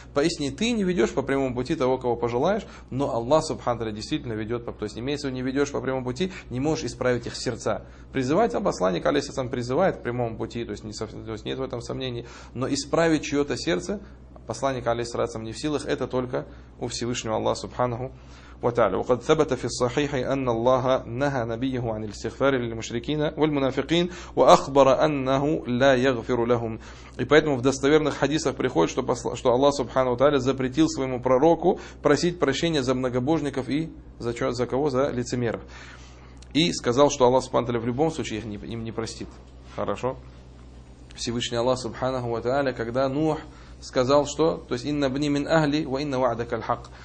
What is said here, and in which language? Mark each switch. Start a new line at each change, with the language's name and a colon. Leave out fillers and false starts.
Russian: Поистине, ты не ведешь по прямому пути того, кого пожелаешь, но Аллах субхана ва тааля действительно ведет, то есть, имеется в виду, не ведешь по прямому пути, не можешь исправить их сердца. Призывать посланник, алейхиссалям, призывает к прямому пути, то есть нет в этом сомнений, но исправить чье-то сердце посланник, алейхиссалям, не в силах, это только у Всевышнего Аллаха субханаху
Arabic: وتعالى. وقد ثبت في الصحيح أن الله نهى نبيه عن الاستغفار للمشركين والمنافقين وأخبر أنه لا يغفر لهم.
Russian: И поэтому в достоверных хадисах приходит, что Аллах Субхану Тааля запретил своему пророку просить прощения за многобожников и за кого? За лицемеров. И сказал, что Аллах Субхану Тааля в любом случае им не простит. Хорошо? Всевышний Аллах Субхану Тааля, когда Нух сказал, что, то есть, «Инна бни мин ахли, ва инна ваадак аль-хак».